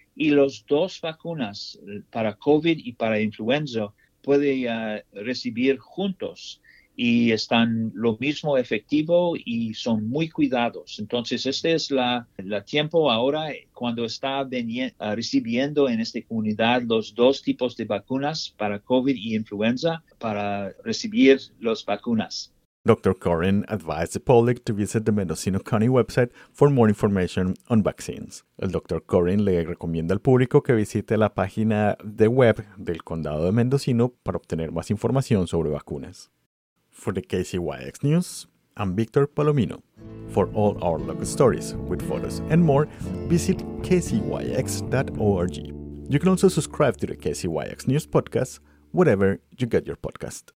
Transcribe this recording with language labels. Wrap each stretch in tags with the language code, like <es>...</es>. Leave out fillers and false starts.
<es>Y las dos vacunas para COVID y para influenza puede recibir juntos y están lo mismo efectivo y son muy cuidados. Entonces, este es el tiempo ahora cuando está recibiendo en esta comunidad los dos tipos de vacunas para COVID y influenza para recibir las vacunas.</es> <en>Dr. Corin advised the public to visit the Mendocino County website for more information on vaccines.</en> <es>El Dr. Corin le recomienda al público que visite la página de web del Condado de Mendocino para obtener más información sobre vacunas.</es> <en>For the KCYX News, I'm Victor Palomino. For all our local stories, with photos and more, visit kcyx.org. You can also subscribe to the KCYX News podcast wherever you get your podcast.</en>